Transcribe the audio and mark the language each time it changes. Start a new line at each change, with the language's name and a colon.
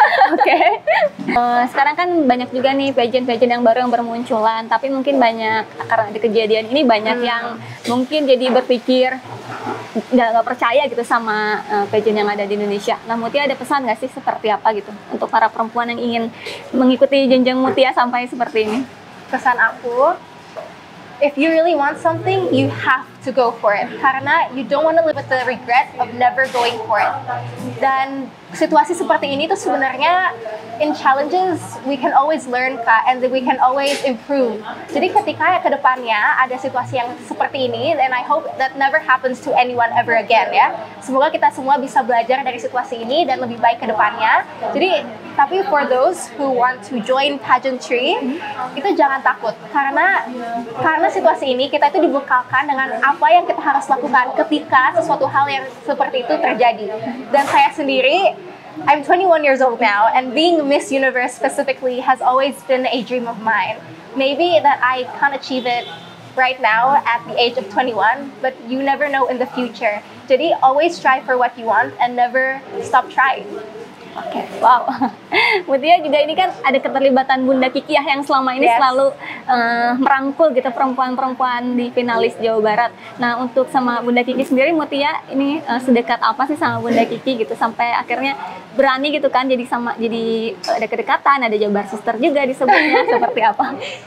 Indonesian: Oke. Okay. Sekarang kan banyak juga nih pageant-pageant yang baru yang bermunculan. Tapi mungkin banyak karena di kejadian ini banyak yang mungkin jadi berpikir gak percaya gitu sama pageant yang ada di Indonesia. Nah Mutia ada pesan gak sih seperti apa gitu untuk para perempuan yang ingin mengikuti jenjang Mutia sampai seperti ini? Pesan aku,
English: if you really want something, you have to go for it.
Indonesian: Karena
English: you don't want to live with the regret of never going for it.
Indonesian: Dan situasi seperti ini tuh sebenarnya
English: in challenges we can always learn, kak, and we can always improve.
Indonesian: Jadi ketika ke depannya ada situasi yang seperti ini,
English: and I hope that never happens to anyone ever again
Indonesian: ya. Semoga kita semua bisa belajar dari situasi ini dan lebih baik ke depannya. Jadi tapi
English: for those who want to join pageantry,
Indonesian: itu jangan takut karena situasi ini kita itu dibekalkan dengan apa yang kita harus lakukan ketika sesuatu hal yang seperti itu terjadi. Dan saya sendiri,
English: I'm 21 years old now, and being Miss Universe specifically has always been a dream of mine. Maybe that I can't achieve it right now at the age of 21, but you never know in the future.
Indonesian: Jadi,
English: always strive for what you want and never stop trying.
Indonesian: Oke, okay. Wow. Mutia juga ini kan ada keterlibatan Bunda Kiki ya yang selama ini selalu merangkul gitu perempuan-perempuan di finalis Jawa Barat. Nah, untuk sama Bunda Kiki sendiri, Mutia ini sedekat apa sih sama Bunda Kiki gitu sampai akhirnya berani gitu kan jadi ada kedekatan, ada Jabar Sister juga disebutnya seperti apa?